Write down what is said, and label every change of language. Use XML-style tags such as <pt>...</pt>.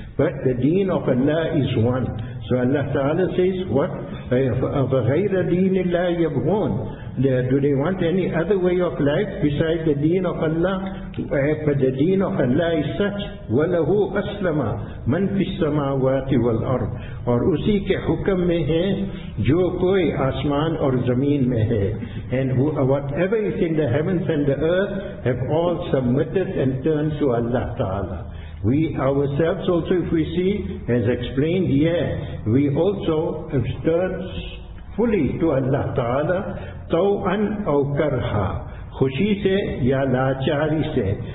<en>But the deen of Allah is one. So Allah Ta'ala says, what?</en> <ar>فَغَيْرَ دِينِ اللَّهِ يَبْغُونَ.</ar> <en>Do they want any other way of life besides the deen of Allah? But the deen of Allah is such,</en> <ar>وَلَهُ أَسْلَمَ مَنْ فِي السَّمَاوَاتِ وَالْأَرْضِ.</ar> <ur>اور اسی کے حکم میں ہے جو کوئی آسمان اور زمین میں ہے.</ur> <en>And whatever is in the heavens and the earth have all submitted and turned to Allah Ta'ala. We ourselves also, if we see, as explained here, we also have turned fully to Allah Ta'ala,</en> <ar>taw'an aw karha,</ar> <ur>khushi se ya lachari se.</ur>